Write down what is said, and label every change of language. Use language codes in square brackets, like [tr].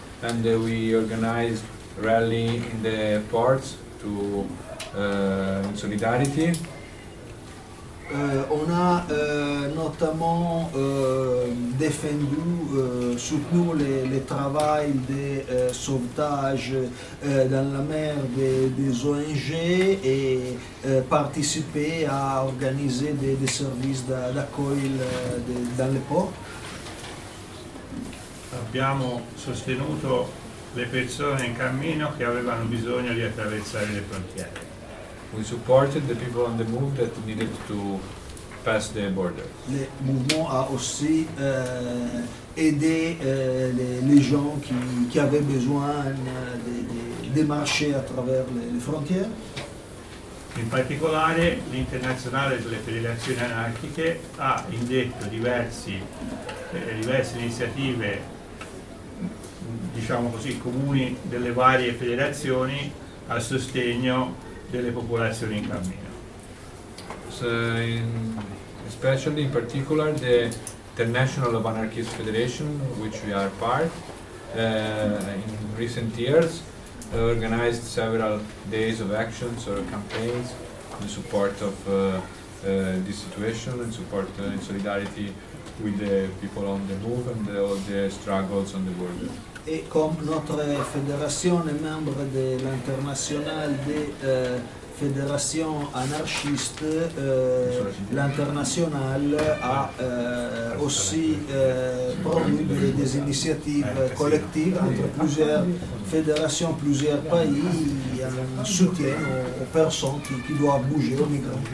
[en] And we organized rally in the ports to in solidarity. [fr] On a notamment défendu, soutenu les travaux de sauvetage dans la mer des ONG et participé à organiser des services d'accueil dans les ports. [it] Abbiamo sostenuto le persone in cammino che avevano bisogno di attraversare le frontiere. [en] We supported the people on the move that needed to pass the border. [it] Il movimento ha [fr] aussi aidé les gens qui avaient besoin de marcher à travers le frontiere. [it] In particolare l'Internazionale delle Federazioni Anarchiche ha indetto diverse iniziative, diciamo così, comuni delle varie federazioni a sostegno delle popolazioni in cammino. [en] So in particular the International of Anarchist Federation, which we are part, in recent years organized several days of actions or campaigns in support of this situation, in support in solidarity with the people on the move and all the struggles on the border. [fr] Et comme notre fédération est membre de l'Internationale des fédérations anarchistes, l'Internationale a aussi promu des initiatives collectives entre plusieurs fédérations, plusieurs pays, en soutien aux personnes qui doivent bouger aux migrants.